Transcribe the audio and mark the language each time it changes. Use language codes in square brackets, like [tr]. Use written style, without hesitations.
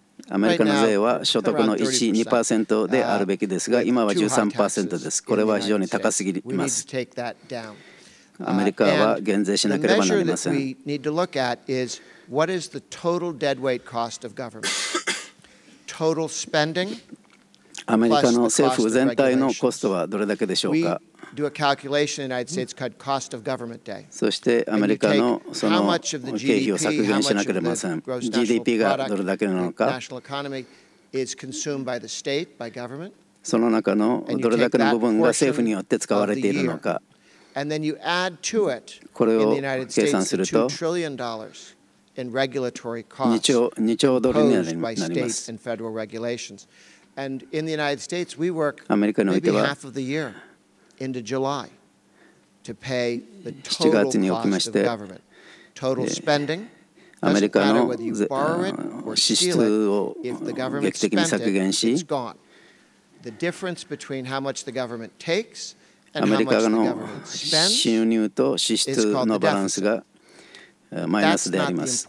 [ja] アメリカの税は所得の 1-2% であるべきですが、今は 13% です。これは非常に高すぎます。アメリカは減税しなければなりません。 [en] The measure that we need to look at is what is the total deadweight cost of government? Total spending plus the cost of [ja] regulation. アメリカの政府全体のコストはどれだけでしょうか。 [en] We do a calculation in the United States called cost of government day. [ja] そしてアメリカのその経費を削減しなければならない。 GDP がどれだけなのか。 [en] National economy is consumed by the state, by government. [ja] その中のどれだけの部分が政府によって使われているのか。 [en] And then you add to it, [ja] これを計算すると [en] $2 trillion in regulatory costs [ja] 2兆ドルになります。 [en] Imposed by state and federal regulations. And in the United States, we work maybe half of the year into July to pay the total cost of government. Total spending. [ja] アメリカの支出を劇的に削減し、 [en] it's gone. The difference between how much the government takes [ja] アメリカの収入と支出のバランスがマイナスであります。